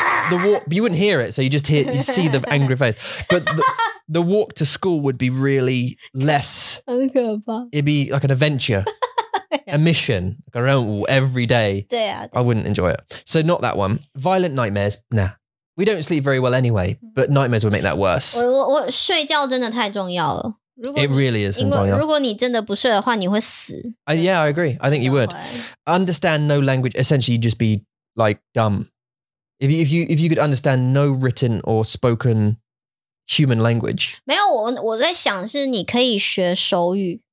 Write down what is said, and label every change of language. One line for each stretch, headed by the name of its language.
English: The walk, you wouldn't hear it, so you just hear, you see the angry face. But the walk to school would be really less...
Chinese: 很可怕.
English: It'd be like an adventure. A mission around every day. I wouldn't enjoy it. So not that one. Violent nightmares, nah. We don't sleep very well anyway, but nightmares would make that worse.
Chinese: 我睡觉真的太重要了。
English: It really is
Chinese: 很重要。如果你真的不睡的话,你会死。
English: Yeah, I agree. I think you would. Understand no language, essentially you'd just be like dumb. If you could understand no written or spoken human language.
Chinese: 没有,我在想是你可以学手语。